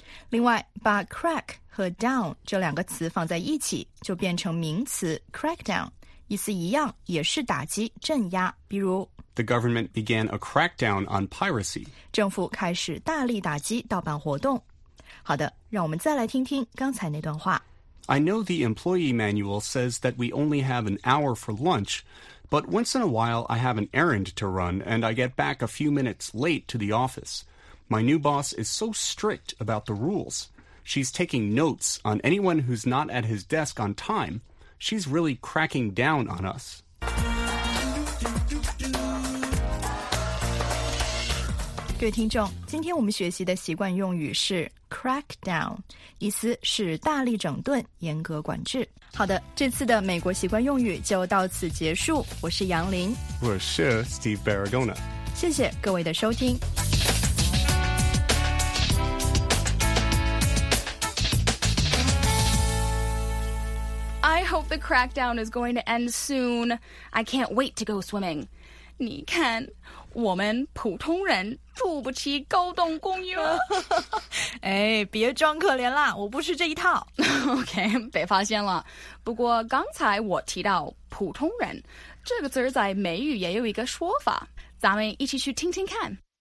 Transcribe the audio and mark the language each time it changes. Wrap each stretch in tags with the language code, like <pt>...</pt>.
<zh>另外，把 crack 和 down 这两个词放在一起，就变成名词 crackdown, 意思一样，也是打击、镇压。比如</zh> <en>,The government began a crackdown on piracy.</en> <zh>政府开始大力打击盗版活动。好的，让我们再来听听刚才那段话。</zh> <en>I know the employee manual says that we only have an hour for lunch,But once in a while, I have an errand to run, and I get back a few minutes late to the office. My new boss is so strict about the rules. She's taking notes on anyone who's not at his desk on time. She's really cracking down on us. Good</en> <zh>听众，今天我们学习的习惯用语是 crack down, 意思是大力整顿，严格管制。好的，这次的美国习惯用语就到此结束。我是杨林，我是 Steve Barragona。谢谢各位的收听。</zh> <en>I hope the crackdown is going to end soon. I can't wait to go swimming.</en> <zh>你看，我们普通人住不起高档公寓。哎，别装可怜啦，我不吃这一套。 OK, 被发现了。不过刚才我提到普通人这个词在美语也有一个说法，咱们一起去听听看。</zh>